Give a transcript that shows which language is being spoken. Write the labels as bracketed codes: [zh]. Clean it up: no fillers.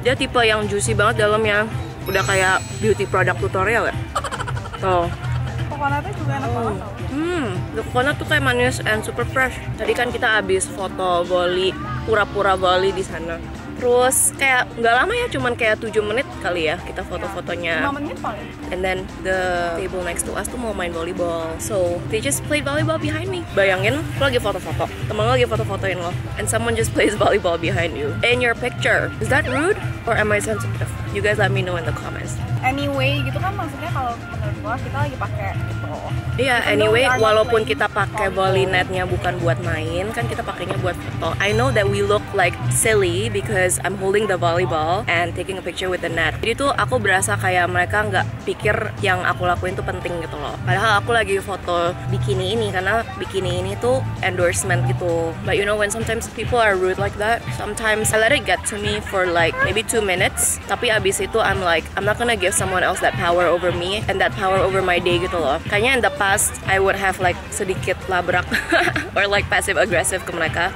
[id] Dia tipe yang juicy banget dalamnya. Udah kayak beauty product tutorial ya. Tuh. Coconutnya juga enak banget. [en] The coconut [id] tuh kayak manis [en] and super fresh. [id] Tadi kan kita abis foto Bali, pura-pura Bali di sana. Terus kayak nggak lama ya, cuman kayak 7 menit kali ya kita foto-fotonya. 5 menit. [en] And then the table next to us [id] tuh mau main [en] volleyball, so they just played volleyball behind me. [id] Bayangin lo lagi foto-foto, temen lo lagi foto-fotoin lo, [en] and someone just plays volleyball behind you in your picture. Is that rude or am I sensitive? You guys let me know in the comments. [id] Anyway gitu kan, maksudnya kalau kita lagi pakai gitu. Iya, yeah, anyway, walaupun kita pakai volley netnya bukan buat main, kan kita pakainya buat foto. [en] I know that we look like silly because I'm holding the volleyball and taking a picture with the net. [id] Jadi tuh aku berasa kayak mereka nggak pikir yang aku lakuin tuh penting gitu loh. Padahal aku lagi foto bikini ini karena bikini ini tuh endorsement gitu. [en] But you know when sometimes people are rude like that, sometimes I let it get to me for like maybe 2 minutes. [id] Tapi abis itu [en] I'm like, I'm not gonna give someone else that power over me and that power over my day [id] gitu loh. [en] Kayaknya in the past I would have like [id] sedikit labrak [en] or like passive aggressive [id] ke mereka.